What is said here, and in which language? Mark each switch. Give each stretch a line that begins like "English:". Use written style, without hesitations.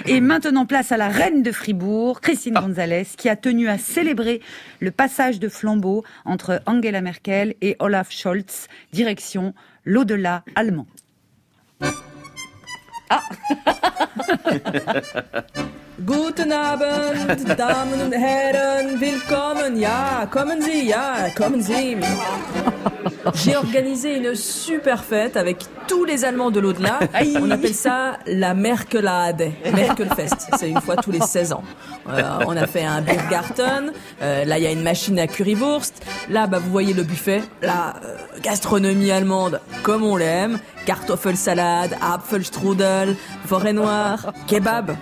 French: Et maintenant, place à la reine de Fribourg, Christine Gonzalez, qui a tenu à célébrer le passage de flambeau entre Angela Merkel et Olaf Scholz, direction l'au-delà allemand. Ah.
German: Guten Abend, Damen und Herren, willkommen, ja, kommen Sie, ja, kommen Sie.
French: J'ai organisé une super fête avec tous les Allemands de l'au-delà. On appelle ça la Merkelade, Merkelfest. C'est une fois tous les 16 ans. On a fait un Biergarten. Là, il y a une machine à Currywurst. Là, bah, vous voyez le buffet. La gastronomie allemande, comme on l'aime. Kartoffelsalade, Apfelstrudel, forêt noire, kebab.